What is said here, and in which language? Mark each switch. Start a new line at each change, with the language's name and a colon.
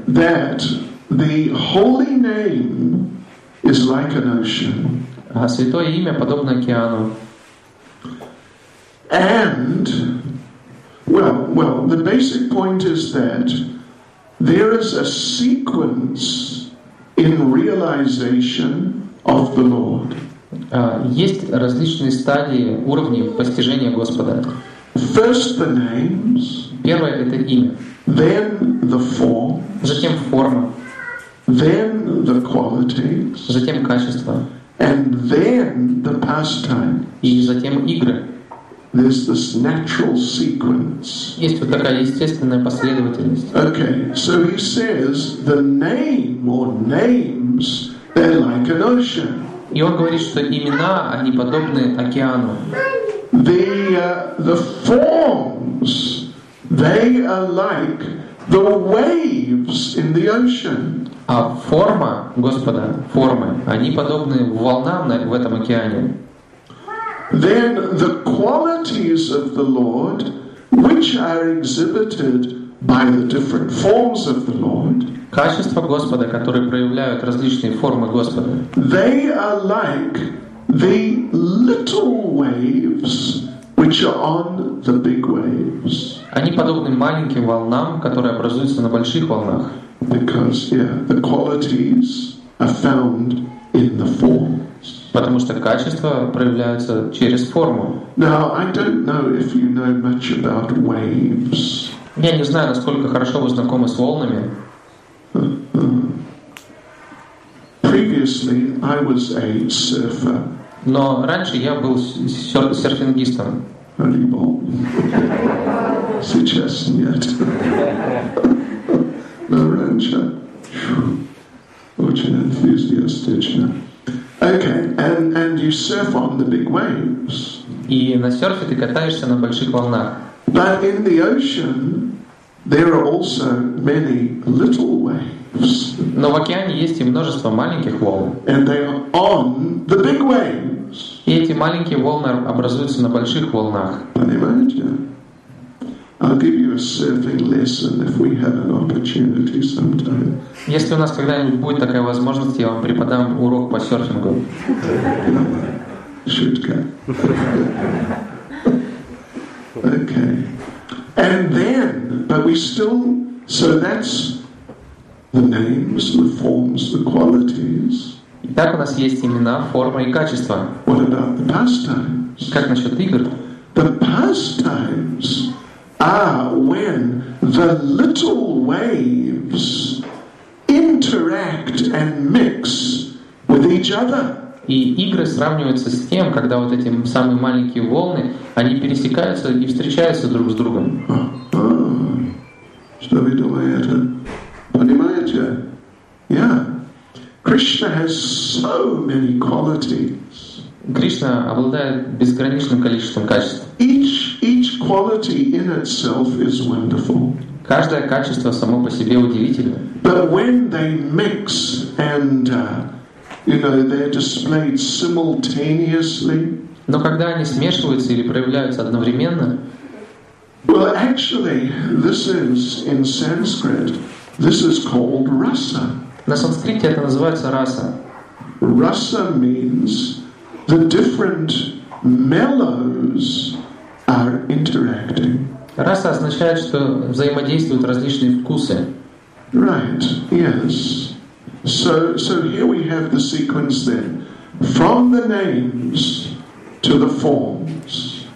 English: That the holy name is like an ocean.
Russian: А святое имя подобно океану.
English: And well, the basic point is that there is a sequence in realization of the Lord.
Russian: Есть различные стадии, уровни постижения Господа.
English: First the names.
Russian: Первое это имя.
English: Then the form.
Russian: Затем форма.
English: Then the qualities.
Russian: Затем качества.
English: And then the pastime.
Russian: И затем игры.
English: There's this natural sequence.
Russian: Есть вот такая естественная последовательность.
English: Okay, so he says the name or names they're like an ocean.
Russian: И он говорит, что имена они подобны океану.
English: The forms they are like the waves in the ocean.
Russian: А форма, Господа, формы, они подобны волнам в этом океане.
English: Then the qualities of the Lord, which are exhibited by the different forms of the Lord.
Russian: Качества Господа, которые проявляют различные формы Господа.
English: They are like the little waves, which are on the big waves.
Russian: Они подобны маленьким волнам, которые образуются на больших волнах.
English: Because the qualities are found in the forms.
Russian: Потому что качества проявляются через форму.
English: Now I don't know if you know much about waves.
Russian: Я не знаю, насколько хорошо вы знакомы с волнами.
English: Previously I was a surfer.
Russian: Но раньше я был серфингистом. Сейчас нет. Раньше. Очень энтузиастично.
English: Okay, and you surf on the big waves.
Russian: И на серфе ты катаешься на больших волнах.
English: But in the ocean, There are also many little waves.
Russian: Но в океане есть и множество маленьких волн.
English: And they are on the big waves.
Russian: И эти маленькие волны образуются на больших волнах. Понимаете?
English: I'll give you a surfing lesson if we have an opportunity sometime.
Russian: Если у нас когда-нибудь будет такая возможность, я вам преподам урок по серфингу. Шутка.
English: Okay. And then, but we still, so that's the names, the forms, the qualities.
Russian: Итак, у нас есть имена, форма и качества.
English: What about the pastimes?
Russian: Как насчет игр?
English: The pastimes are when the little waves interact and mix with each other.
Russian: И игры сравниваются с тем, когда вот эти самые маленькие волны, они пересекаются и встречаются друг с другом. Что вы думаете? Понимаете?
English: Yeah. Krishna has so many qualities.
Russian: Кришна обладает безграничным количеством качеств.
English: Each quality in itself is wonderful.
Russian: Каждое качество само по себе удивительно.
English: But when they mix and they're displayed simultaneously.
Russian: Но когда они смешиваются или проявляются одновременно?
English: Well, actually, this is in Sanskrit. This is called rasa.
Russian: На санскрите это называется раса.
English: Rasa means the different mellows are interacting.
Russian: Раса означает, что взаимодействуют различные вкусы.
English: Right. Yes. So here we have the sequence then, from the names to the forms.